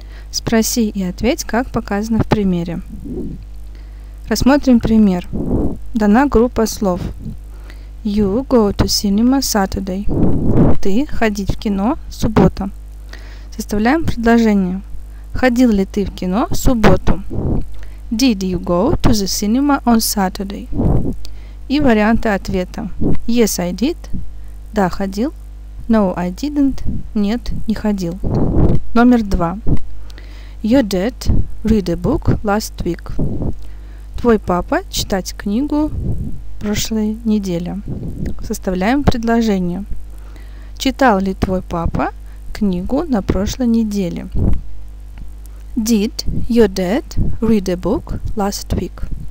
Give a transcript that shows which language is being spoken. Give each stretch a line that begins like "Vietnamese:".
Russian: Спроси и ответь, как показано в примере. Рассмотрим пример. Дана группа слов.
English: You go to cinema Saturday.
Russian: Ты ходить в кино суббота. Составляем предложение. Ходил ли ты в кино в субботу?
English: Did you go to the cinema on Saturday?
Russian: И варианты ответа.
English: Yes, I did.
Russian: Да, ходил.
English: No, I didn't.
Russian: Нет, не ходил. Номер 2.
English: Your dad read a book last week.
Russian: Твой папа читать книгу прошлой неделе. Составляем предложение. Читал ли твой папа книгу на прошлой неделе?
English: Did your dad read a book last week?